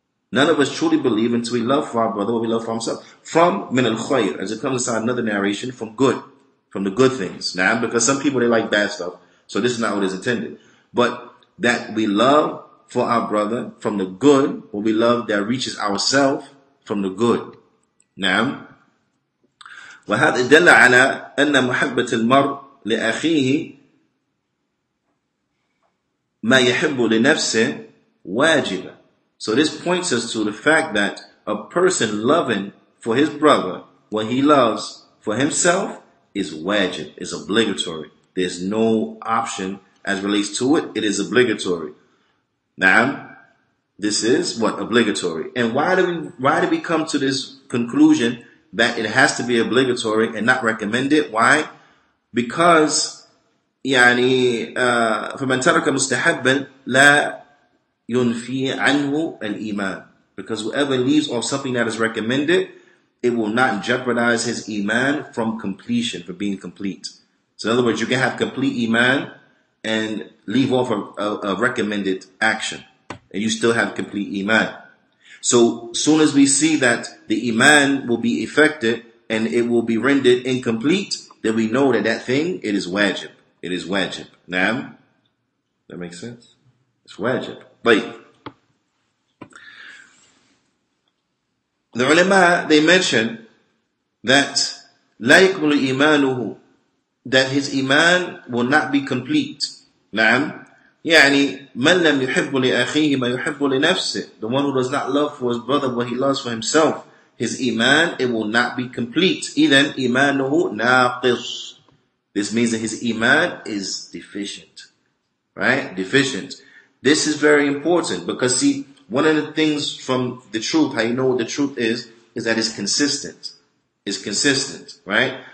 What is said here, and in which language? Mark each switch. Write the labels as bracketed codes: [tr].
[en] None of us truly believe until we love for our brother what we love for himself. From [ar] min al khayr. [en] As it comes inside another narration, from good. From the good things. Naam. Because some people, they like bad stuff. So this is not what is intended. But that we love for our brother from the good, what we love that reaches ourself from the good. Naam. [ar] وهذا دل على أن محبة المرء لأخيه ما يحب لنفسه واجبة. [en] So this points us to the fact that a person loving for his brother what he loves for himself is wajib, is obligatory. There's no option as relates to it. It is obligatory. Now, this is what? Obligatory. And why do we come to this conclusion that it has to be obligatory and not recommended? Why? Because [ar] يعني فمن ترك مستحبا لا ينفي عنه الإيمان. [en] Because whoever leaves off something that is recommended, it will not jeopardize his Iman from completion, for being complete. So in other words, you can have complete Iman and leave off a recommended action, and you still have complete Iman. So soon as we see that the Iman will be effective and it will be rendered incomplete, then we know that that thing, it is wajib. It is wajib. Naam? That makes sense? It's wajib. But the ulama, they mention that [ar] لَا يَكْمُلُ إِيمَانُهُ, [en] that his Iman will not be complete. Naam? [ar] يعني من لم يحب لأخيه ما يحب لنفسه. [en] The one who does not love for his brother what he loves for himself, his Iman, it will not be complete. [ar] إذن إيمانه ناقص. [en] This means that his Iman is deficient. Right? Deficient. This is very important because see, one of the things from the truth, how you know what the truth is that it's consistent. It's consistent. Right?